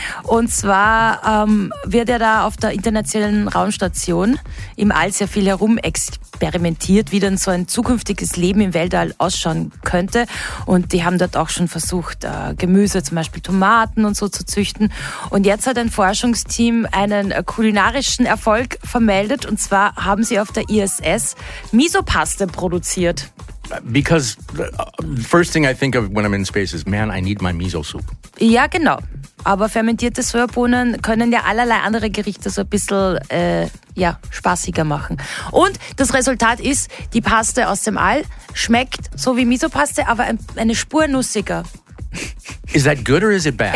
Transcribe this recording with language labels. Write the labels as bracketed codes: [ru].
[de] Und zwar wird er da auf der Internationalen Raumstation im All sehr viel herumexperimentiert, wie dann so ein zukünftiges Leben im Weltall ausschauen könnte. Und die haben dort auch schon versucht, Gemüse, zum Beispiel Tomaten und so zu züchten. Und jetzt hat ein Forschungsteam einen kulinarischen Erfolg vermeldet. Und zwar haben sie auf der ISS Misopaste produziert. [en] Because the first thing I think of when I'm in space is, man, I need my miso soup. [de] Ja, genau. Aber fermentierte Sojabohnen können ja allerlei andere Gerichte so ein bisschen spaßiger machen. Und das Resultat ist, die Paste aus dem All schmeckt so wie Misopaste, aber eine Spur nussiger. [en] Is that good or is it bad?